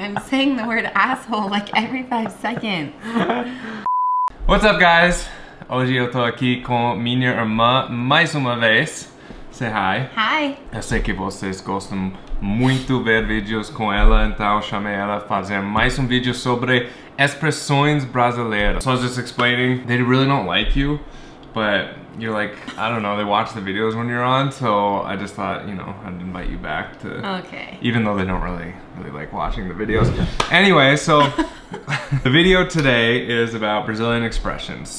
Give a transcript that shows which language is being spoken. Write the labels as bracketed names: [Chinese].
[English] I'm saying the word asshole like every 5 seconds. What's up, guys? [Portuguese] Hoje eu tô aqui com minha irmã mais uma vez. [English] Say hi. Hi. [Portuguese] Eu sei que vocês gostam muito ver vídeos com ela, então chamei ela para fazer mais um vídeo sobre expressões brasileiras. [English] So I was just explaining, they really don't like you, but you're like, I don't know, they watch the videos when you're on, so I just thought, you know, I'd invite you back to... Okay. Even though they don't really like watching the videos. Anyway, so the video today is about Brazilian expressions.